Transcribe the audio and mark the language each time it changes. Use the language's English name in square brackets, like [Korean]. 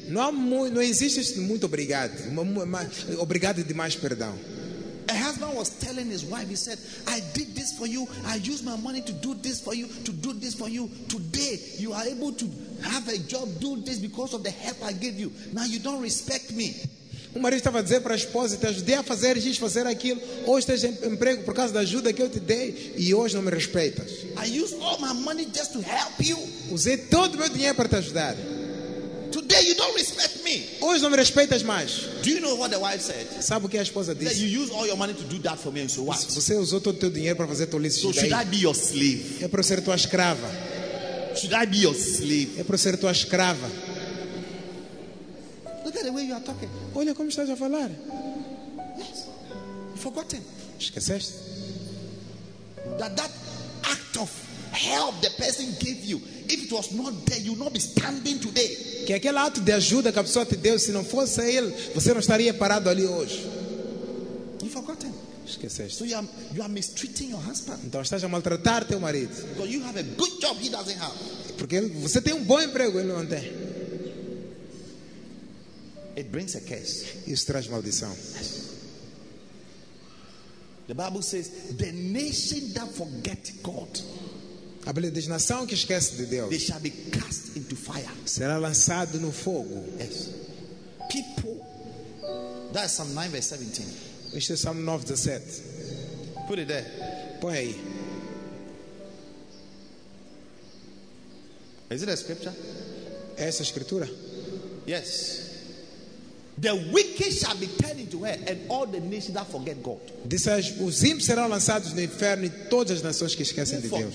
[Portuguese] Não existe muito obrigado. Obrigado demais, perdão. [English] A husband was telling his wife, he said, I did this for you. I used my money to do this for you, to do this for you. Today, you are able to have a job, do this because of the help I gave you. Now you don't respect me. [Portuguese] O marido estava a dizer para a esposa, te ajudei a fazer isso, fazer aquilo. Hoje tens emprego por causa da ajuda que eu te dei e hoje não me respeitas. [English] I used all my money just to help you. [Portuguese] Usei todo o meu dinheiro para te ajudar. [English] Today you don't respect me. [Portuguese] Hoje não me respeitas mais. [English] Do you know what the wife said? [Portuguese] Sabe o que a esposa disse? [English] That you use all your money to do that for me, and so what? [Portuguese] Você usou todo o teu dinheiro para fazer tolices. [English] So should I be your slave? [Portuguese] É para ser tua escrava. [English] Should I be your slave? [Portuguese] É para ser tua escrava. [English] Look at the way you are talking. [Portuguese] Olha como estás a falar. [English] Yes. Forgotten. [Portuguese] Esqueceste. [English] That act of help the person gave you, if it was not there, you would not be standing today. [Portuguese] Que aquele ato de ajuda que a pessoa te deu, se não fosse ele, você não estaria parado ali hoje. [English] You forgotten. [Portuguese] Esqueceste. [English] So you are mistreating your husband. [Portuguese] Então estás a maltratar teu marido. [English] Because you have a good job he doesn't have. [Portuguese] Porque você tem bom emprego, ele não tem. [English] It brings a curse. [Portuguese] Isso traz maldição. [English] The Bible says, the nation that forget God. [Portuguese] A Bíblia diz, nação que esquece de Deus. [English] They shall be cast into fire. [Portuguese] Será lançado no fogo. [English] Yes. People. That's Psalm 9 verse 17. [Portuguese] Isso é [English] Psalm 9 verse 17. Put it there. [Portuguese] Põe aí. [English] Is it a scripture? [Portuguese] É essa escritura? [English] Yes. The wicked shall be turned into hell, and all the nations that forget God. [Portuguese] Diz, os ímpios serão lançados no inferno e todas as nações que esquecem de Deus.